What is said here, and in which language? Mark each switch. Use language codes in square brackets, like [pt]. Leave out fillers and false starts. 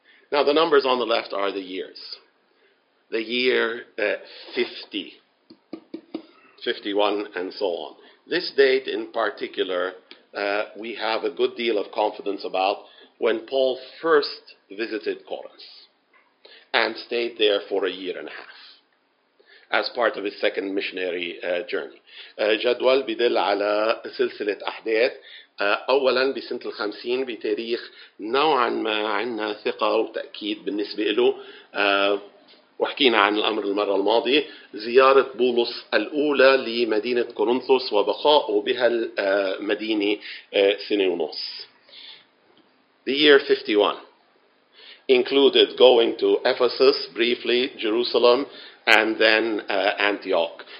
[en] Now, the numbers on the left are the years. The year 50, 51, and so on. This date in particular, we have a good deal of confidence about when Paul first visited Corinth and stayed there for a year and a half as part of his second missionary journey. [ar] جدول بدل على سلسلة أحداث. أولاً بسنة الخمسين بتاريخ نوعاً ما عندنا ثقة وتأكيد بالنسبة له. وحكينا عن الأمر المرة الماضية. زيارة بولس الأولى لمدينة كورنثوس وبقاؤه بها المدينة سنة ونص. [en] The year 51 included going to Ephesus briefly, Jerusalem, and then Antioch.